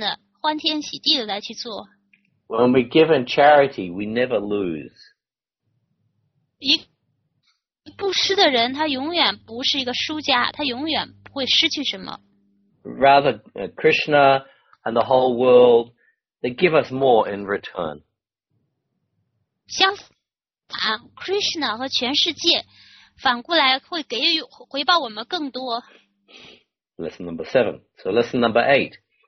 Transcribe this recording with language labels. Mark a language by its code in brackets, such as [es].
[zh] 我们永远不能把这看成是自己的损失，我们应该把这种给予这种人的布施的机会，牢牢的抓住，而且非常心甘情愿的欢天喜地的来去做。 [en] When we give in charity, we never lose. [zh] 布施的人他永远不是一个输家，他永远不会失去什么。 [en] Rather, Krishna and the whole world, they give us more in return. [zh] 相反，Krishna 和全世界反过来会给予回报我们更多。 [en] Lesson number seven. So lesson number eight.